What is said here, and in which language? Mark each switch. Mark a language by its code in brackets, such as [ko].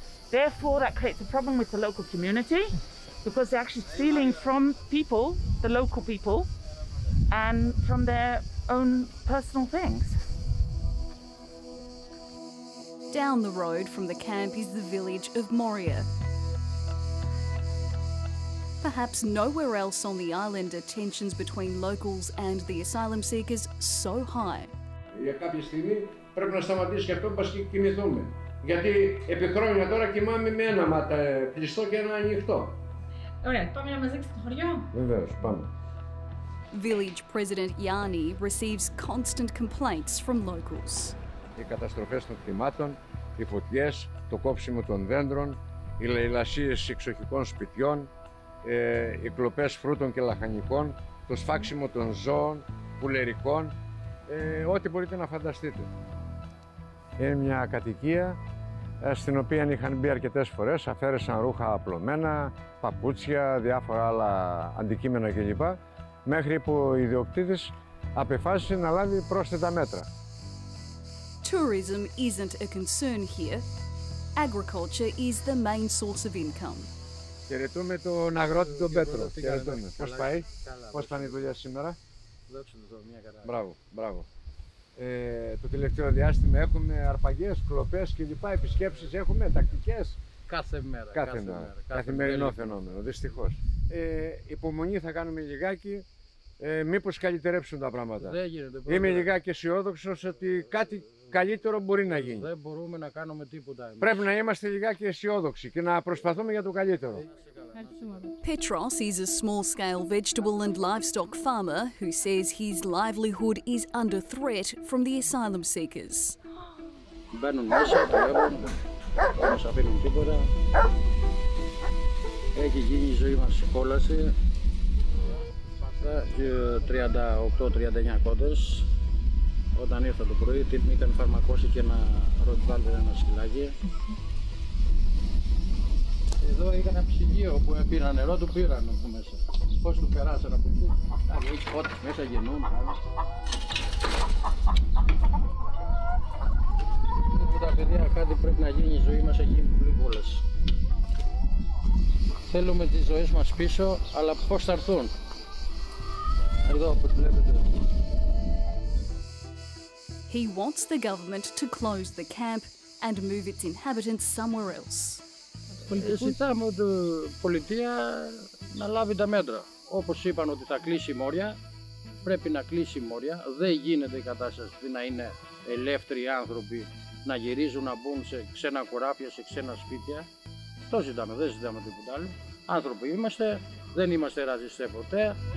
[en] Therefore, that creates a problem with the local community because they're actually stealing from people, the local people, and from their own personal things. Down the road from the camp is the village of Moria. Perhaps nowhere else on the island are tensions between locals and the asylum seekers so high. [el] Για κάποια στιγμή πρέπει να σταματήσει και αυτό που μας κοιμηθούμε. Γιατί επί χρόνια τώρα κοιμάμαι με ένα μάτα κλειστό και ένα ανοιχτό. Ωραία, πάμε να μας δείξει το χωριό. Βεβαίως, πάμε. [en] Village President Yani receives constant complaints from locals. [el] Οι καταστροφές των κτημάτων, οι φωτιές, το κόψιμο των δέντρων, οι λαϊλασίες εξοχικών σπιτιών, οι κλοπές φρούτων και λαχανικών, το σφάξιμο των ζώων, πουλερικών, ό,τι μπορείτε να φανταστείτε. Είναι μια κατοικία στην οποία είχαν μπει αρκετές φορές, αφαίρεσαν ρούχα απλωμένα, παπούτσια, διάφορα άλλα αντικείμενα κλπ. Μέχρι που ο ιδιοκτήτης αποφάσισε να λάβει πρόσθετα μέτρα. [en] Tourism isn't a concern here. Agriculture is the main source of income. [el] Χαιρετούμε τον αγρότη τον Πέτρο. Χαιρετούμε. Πώς πάει, πώς ήταν η δουλειά σήμερα. Δόξα τω, μια καλά. Μπράβο. Το τελευταίο διάστημα έχουμε αρπαγές, κλοπές κλπ. Επισκέψεις έχουμε, τακτικές. Κάθε μέρα. Καθημερινό φαινόμενο, δυστυχώς. Υπομονή θα κάνουμε λιγάκι. Μήπως καλυτερέψουν τα πράγματα. Δεν γίνεται. Είμαι λιγάκι αισιόδοξο ότι κάτι καλύτερο μπορεί να γίνει. Δεν μπορούμε να κάνουμε τίποτα. Εμείς. Πρέπει να είμαστε λιγάκι αισιόδοξοι και να προσπαθούμε για το καλύτερο. [en] Petros is a small-scale vegetable and livestock farmer who says his livelihood is under threat from the asylum seekers. [el] Μπαίνουν μέσα, δουλεύουν, δεν μας αφήνουν τίποτα. Έχει γίνει η ζωή μας κόλαση. 38-39 κόντες. Όταν ήρθα το πρωί, την ήταν φαρμακώσει και ένα ροτβάλτερ, ένα σκυλάκι. Εδώ είχα ένα ψυγείο που με πήραν νερό, του πήραν από μέσα. Πώς του περάσανε από εκεί. Αλλά έχει κότες μέσα, γεννούν. Με τα παιδιά κάτι πρέπει να γίνει, η ζωή μας έχει γίνει πολύ πολλές. Θέλουμε τις ζωές μας πίσω, αλλά πώς θα έρθουν. Εδώ, όπως βλέπετε. [en] He wants the government to close the camp and move its inhabitants somewhere else. [el] πολιτικού. Ζητάμε από την πολιτεία να λάβει τα μέτρα. Όπως είπαν ότι θα κλείσει η Μόρια, πρέπει να κλείσει η Μόρια. Δεν γίνεται η κατάσταση αυτή να είναι ελεύθεροι άνθρωποι να γυρίζουν να μπουν σε ξένα κουράφια, σε ξένα σπίτια. Το ζητάμε, δεν ζητάμε τίποτα άλλο. Άνθρωποι είμαστε, δεν είμαστε ραζιστές ποτέ.